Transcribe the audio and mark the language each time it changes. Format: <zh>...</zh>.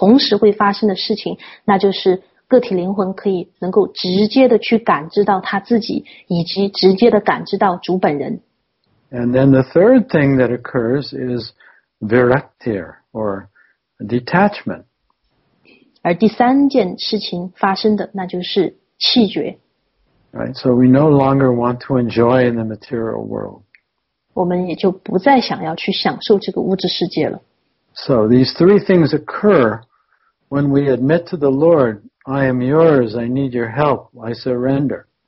<zh>Yeah. 然后接下来第二个会发生的事情，当然也是可能同时会发生的事情，那就是个体灵魂可以能够直接的去感知到他自己，以及直接的感知到主本人。</zh> <en>And then the third thing that occurs is viraktir, or detachment.</en> <zh>而第三件事情发生的，那就是弃绝。</zh> <en>Right, so we no longer want to enjoy in the material world.</en> <zh>我们也就不再想要去享受这个物质世界了。</zh> <en>So these three things occur when we admit to the Lord, I am yours, I need your help, I surrender.</en>